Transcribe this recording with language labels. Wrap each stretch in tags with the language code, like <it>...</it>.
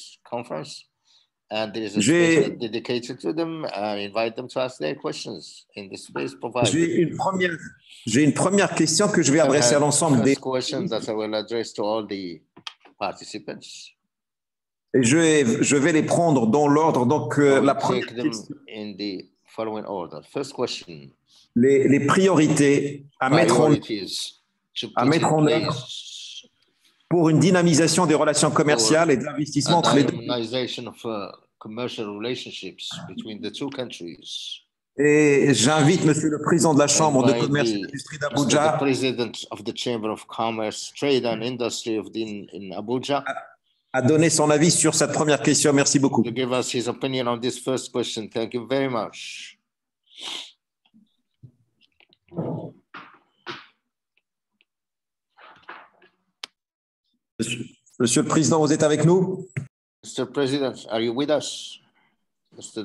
<en>Conference and there is a space dedicated to them and invite them to ask their questions in the space provided.</en> <fr>J'ai une première question que je vais adresser à l'ensemble des</fr> <en>questions that I will address to all the participants.</en> <fr>Et je vais les prendre dans l'ordre. Donc la première question,</fr> <en>in the following order. First question.</en> <fr>Les priorités à mettre en œuvre pour une dynamisation des relations commerciales et de l'investissement entre les deux.</fr> <en>Dynamisation of commercial relationships between the two countries.</en> <fr>Et j'invite Monsieur le Président de la Chambre de Commerce et d'Industrie d'Abuja.</fr> <en>The President of the Chamber of Commerce, Trade and Industry of in Abuja.</en> <fr>A donner son avis sur cette première question. Merci beaucoup.</fr> <en>To give us his opinion on this first question. Thank you very much.</en> <fr>Monsieur le Président, vous êtes avec nous?</fr> <en>Mr. President, are you with us? Mr.</en>